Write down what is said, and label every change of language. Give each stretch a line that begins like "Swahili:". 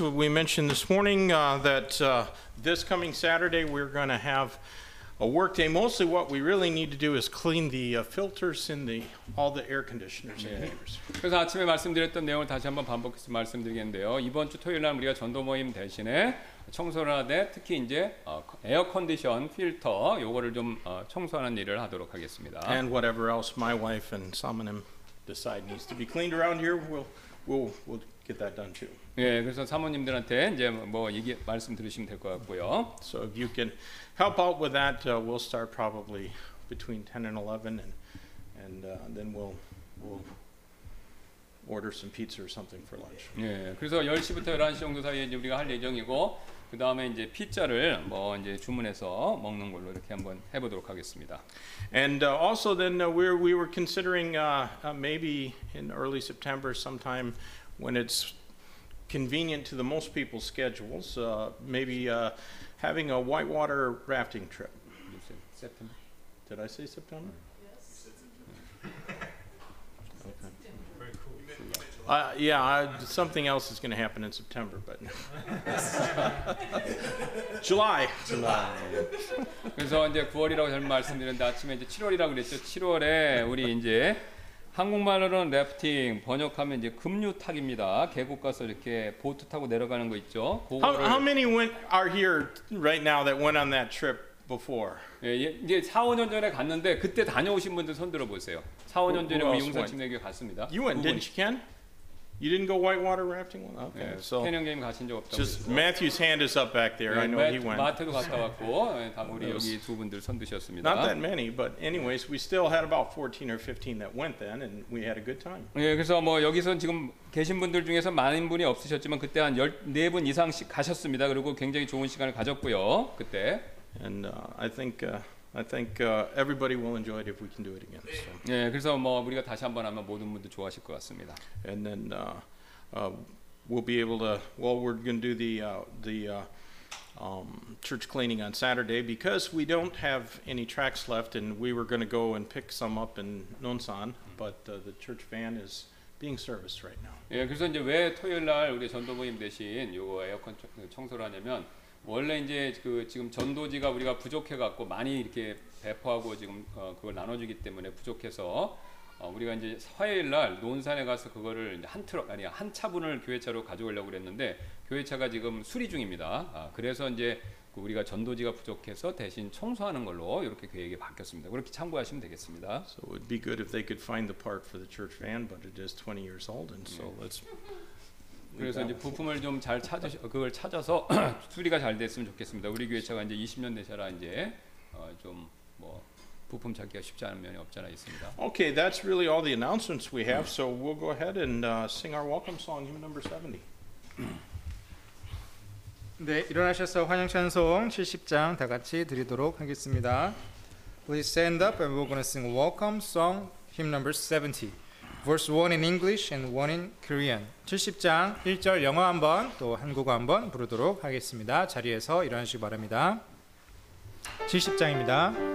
English: We mentioned this morning that this coming Saturday we're going to have a work day. Mostly what we really need to do is clean the filters in all the air conditioners and heaters.
Korean: 그래서 아침에 말씀드렸던 내용을 다시 한번 반복해서 말씀드리겠는데요. 이번 주 토요일 날 우리가 전도 모임 대신에 청소를 하되 특히 이제 에어컨디션 필터 요거를 좀 청소하는 일을 하도록 하겠습니다.
English: And whatever else my wife and Salmanim decide needs to be cleaned around here, we'll get that done too.
Korean: 예, 그래서 사모님들한테 이제 뭐 얘기 말씀 들으시면 될 것 같고요.
English: So if you can help out with that, we'll start probably between 10 and 11, and then we'll order some pizza or something for lunch.
Korean: 예, 그래서 10시부터 11시 정도 사이에 이제 우리가 할 예정이고, 그 다음에 이제 피자를 뭐 이제 주문해서 먹는 걸로 이렇게 한번 해보도록 하겠습니다.
English: And also then we were considering maybe in early September sometime. When it's convenient to the most people's schedules, maybe having a whitewater rafting trip. You said September. Did I say September? Yes. Okay. Very cool. Something else is going to happen in September, but July. July.
Korean: 그래서 이제 9월이라고 잘 말씀드렸는데 아침에 이제 7월이라고 그랬죠. 7월에 우리 이제 한국말로는 래프팅, 번역하면 이제 급류탁입니다. 계곡 가서 이렇게 보트 타고 내려가는 거 있죠.
English: How many are here right now that went on that trip before?
Korean: 예, 이제 4-5년 전에 갔는데 그때 다녀오신 분들 손 들어보세요. 4-5년 전에 우리 용사팀에게 갔습니다.
English: You went, didn't you, Ken? You didn't go whitewater rafting? Okay,
Korean: 예, so. 캔 형님 가신 적 없다고.
English: Just Matthew's hand is up back there.
Korean: 예,
English: I know he went.
Korean: 마트도 갔다 왔고, 예, 다 우리 여기 두 분들 손 드셨습니다.
English: Not that many, but anyways, we still had about 14 or 15 that went then, and we had a good time.
Korean: 예, 그래서 뭐 여기서 지금 계신 분들 중에서 많은 분이 없으셨지만 그때 한 14분 이상씩 가셨습니다. 그리고 굉장히 좋은 시간을 가졌고요, 그때.
English: And I think everybody will enjoy it if we can do it again. So.
Korean: 예, 그래서 뭐 우리가 다시 한번 하면 모든 분들 좋아하실 것 같습니다.
English: And then we'll be able to. Well, we're going to do the church cleaning on Saturday because we don't have any tracks left, and we were going to go and pick some up in Nonsan, but the church van is being serviced right now.
Korean: 예, 그래서 이제 왜 토요일 날 우리 전도 모임 대신 요거 에어컨 청소를 하냐면. 원래 이제 그 지금 전도지가 우리가 부족해 갖고 많이 이렇게 배포하고 지금 그걸 나눠주기 때문에 부족해서 우리가 이제 화요일 날 논산에 가서 그거를 이제 한 차분을 교회차로 가져오려고 그랬는데 교회차가 지금 수리 중입니다. 그래서 이제 그 우리가 전도지가 부족해서 대신 청소하는 걸로 이렇게 계획이 바뀌었습니다. 그렇게 참고하시면 되겠습니다.
English: So it would be good if they could find the part for the church van, but it is 20 years old, and so let's.
Korean: 그래서 이제 부품을 좀 잘 찾아서 수리가 잘 됐으면 좋겠습니다. 우리 교회차가 이제 20년 되셔라 이제 좀 뭐 부품 찾기가 쉽지 않은 면이 없잖아 있습니다.
English: Okay, that's really all the announcements we have. So we'll go ahead and sing our welcome song, hymn number 70.
Korean: 네, 일어나셔서 환영 찬송 70장 다 같이 드리도록 하겠습니다.
English: Please stand up and we're going to sing welcome song, hymn number 70. Verse 1 in English and 1 in Korean.
Korean: 70장 1절 영어 한번 또 한국어 한번 부르도록 하겠습니다. 자리에서 일어나시기 바랍니다. 70장입니다.